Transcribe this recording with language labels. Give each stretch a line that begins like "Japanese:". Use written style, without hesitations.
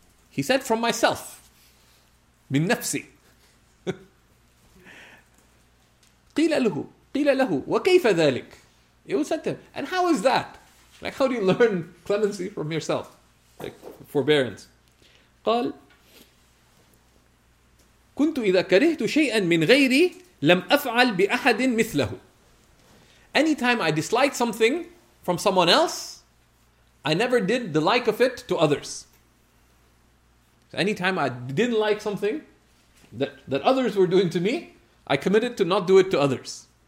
English: He said, from myself.
Arabic: Min nafsi. Qila lahu. Wa kayfa dhalik?
English: It was said to him, and how is that? Like, how do you learn clemency from yourself? Like, forbearance.
Arabic: قال, كنت إذا كرهت شيئا من غيري لم أفعل بأحد مثله.
English: Anytime I dislike something from someone else, I never did the like of it to others. So anytime I didn't like something that others were doing to me, I committed to not do it to others.